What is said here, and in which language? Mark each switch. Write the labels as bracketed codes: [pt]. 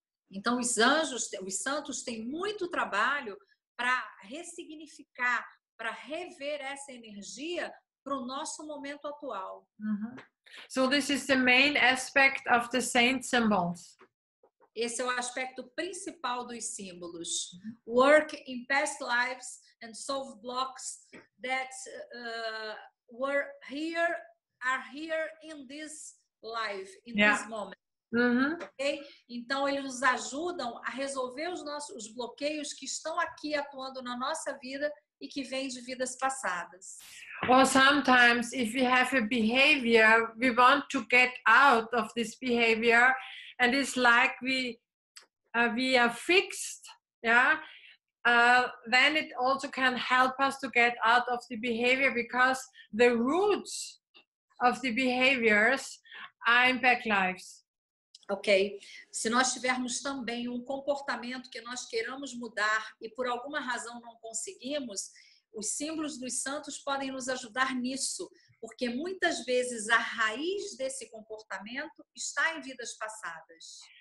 [pt] Então os anjos, os santos têm muito trabalho para ressignificar, para rever essa energia para o nosso momento atual. [en] So this is the main aspect of the saint symbols. [pt] Esse é o aspecto principal dos símbolos. [en] Work in past lives and solve blocks that are here in this life, in this moment. Okay? [pt] Então eles nos ajudam a resolver os bloqueios que estão aqui atuando na nossa vida e que vêm de vidas passadas. [en] Or sometimes if we have a behavior we want to get out of this behavior and it's like we are fixed, then it also can help us to get out of the behavior because the roots of the behaviors are in back lives. [pt] Ok, se nós tivermos também um comportamento que nós queiramos mudar e por alguma razão não conseguimos, os símbolos dos santos podem nos ajudar nisso, porque muitas vezes a raiz desse comportamento está em vidas passadas.